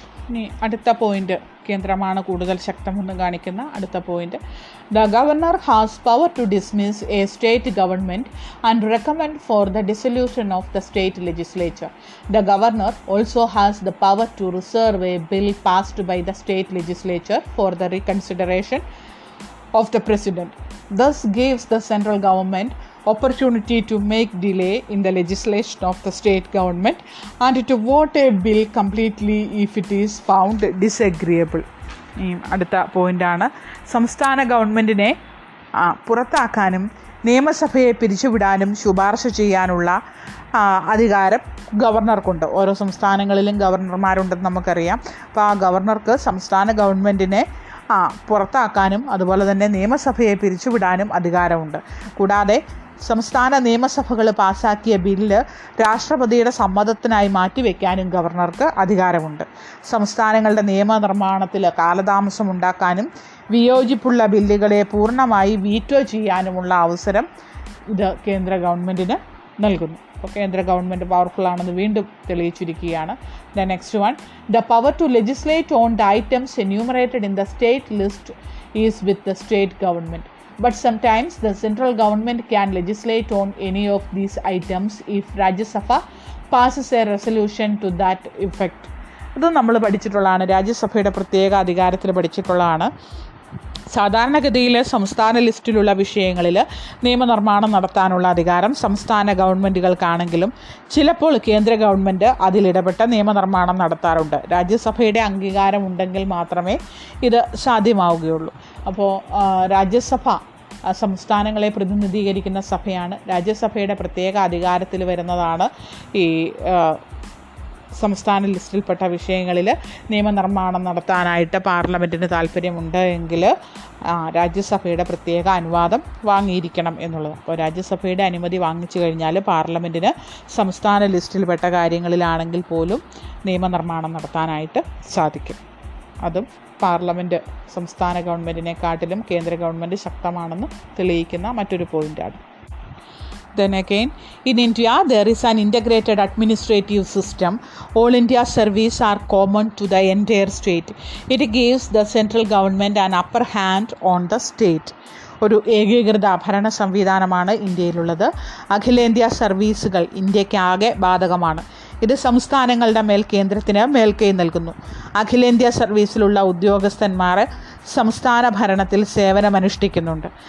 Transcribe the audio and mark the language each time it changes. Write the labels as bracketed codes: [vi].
[ml] ഇനി അടുത്ത പോയിന്റ്, കേന്ദ്രമാണ് കൂടുതൽ ശക്തമെന്ന് കാണിക്കുന്ന അടുത്ത point, [en] The governor has power to dismiss a state government and recommend for the dissolution of the state legislature. The governor also has the power to reserve a bill passed by the state legislature for the reconsideration of the president. Thus gives the central government opportunity to make delay in the legislation of the state government and to vote a bill completely if it is found disagreeable. [ml] ഇനിയും അടുത്ത പോയിന്റാണ് സംസ്ഥാന ഗവൺമെൻറ്റിനെ പുറത്താക്കാനും നിയമസഭയെ പിരിച്ചുവിടാനും ശുപാർശ ചെയ്യാനുള്ള അധികാരം ഗവർണർക്കുണ്ട്. ഓരോ സംസ്ഥാനങ്ങളിലും ഗവർണർമാരുണ്ടെന്ന് നമുക്കറിയാം. അപ്പോൾ ആ ഗവർണർക്ക് സംസ്ഥാന ഗവൺമെൻറ്റിനെ പുറത്താക്കാനും അതുപോലെ തന്നെ നിയമസഭയെ പിരിച്ചുവിടാനും അധികാരമുണ്ട്. കൂടാതെ സംസ്ഥാന നിയമസഭകൾ പാസാക്കിയ ബില്ല് രാഷ്ട്രപതിയുടെ സമ്മതത്തിനായി മാറ്റിവെക്കാനും ഗവർണർക്ക് അധികാരമുണ്ട്. സംസ്ഥാനങ്ങളുടെ നിയമനിർമ്മാണത്തിൽ കാലതാമസം ഉണ്ടാക്കാനും വിയോജിപ്പുള്ള ബില്ലുകളെ പൂർണ്ണമായി വീറ്റോ ചെയ്യാനുമുള്ള അവസരം ഇത് കേന്ദ്ര ഗവൺമെൻറ്റിന് നൽകുന്നു. അപ്പോൾ കേന്ദ്ര ഗവൺമെൻറ് പവർഫുൾ ആണെന്ന് വീണ്ടും തെളിയിച്ചിരിക്കുകയാണ്. [en] The next one, the power to legislate on the items enumerated in the state list is with the state government. But sometimes the central government can legislate on any of these items if Rajya Sabha passes a resolution to that effect. [ml] ഇതും നമ്മൾ പഠിച്ചിട്ടുള്ളതാണ്, രാജ്യസഭയുടെ പ്രത്യേക അധികാരത്തിൽ പഠിച്ചിട്ടുള്ളതാണ്. സാധാരണഗതിയിൽ സംസ്ഥാന ലിസ്റ്റിലുള്ള വിഷയങ്ങളിൽ നിയമനിർമ്മാണം നടത്താനുള്ള അധികാരം സംസ്ഥാന ഗവൺമെൻറ്റുകൾക്കാണെങ്കിലും ചിലപ്പോൾ കേന്ദ്ര ഗവൺമെൻറ് അതിലിടപെട്ട് നിയമനിർമ്മാണം നടത്താറുണ്ട്. രാജ്യസഭയുടെ അംഗീകാരം ഉണ്ടെങ്കിൽ മാത്രമേ ഇത് സാധ്യമാവുകയുള്ളൂ. അപ്പോൾ രാജ്യസഭ സംസ്ഥാനങ്ങളെ പ്രതിനിധീകരിക്കുന്ന സഭയാണ്. രാജ്യസഭയുടെ പ്രത്യേക അധികാരത്തിൽ വരുന്നതാണ് ഈ സംസ്ഥാന ലിസ്റ്റിൽപ്പെട്ട വിഷയങ്ങളിൽ നിയമനിർമ്മാണം നടത്താനായിട്ട് പാർലമെൻറ്റിന് താല്പര്യമുണ്ട് എങ്കിൽ രാജ്യസഭയുടെ പ്രത്യേക അനുവാദം വാങ്ങിയിരിക്കണം എന്നുള്ളത്. അപ്പോൾ രാജ്യസഭയുടെ അനുമതി വാങ്ങിച്ചു കഴിഞ്ഞാൽ പാർലമെൻറ്റിന് സംസ്ഥാന ലിസ്റ്റിൽപ്പെട്ട കാര്യങ്ങളിലാണെങ്കിൽ പോലും നിയമനിർമ്മാണം നടത്താനായിട്ട് സാധിക്കും. അതും പാർലമെൻറ്റ് സംസ്ഥാന ഗവൺമെൻറ്റിനെക്കാട്ടിലും കേന്ദ്ര ഗവൺമെൻറ് ശക്തമാണെന്ന് തെളിയിക്കുന്ന മറ്റൊരു പോയിൻ്റാണ്. [en] Then again, in India, there is an integrated administrative system. All India services are common to the entire state. It gives the central government an upper hand on the state. [ml] ഒരു ഏകീകൃത ഭരണ സംവിധാനമാണ് ഇന്ത്യയിലുള്ളത്. അഖിലേന്ത്യാ സർവീസുകൾ ഇന്ത്യക്കാകെ ബാധകമാണ്. ഇത് സംസ്ഥാനങ്ങളുടെ മേൽ കേന്ദ്രത്തിന് മേൽക്കൈ നൽകുന്നു. അഖിലേന്ത്യാ സർവീസിലുള്ള ഉദ്യോഗസ്ഥന്മാർ സംസ്ഥാന ഭരണത്തിൽ സേവനമനുഷ്ഠിക്കുന്നുണ്ട്.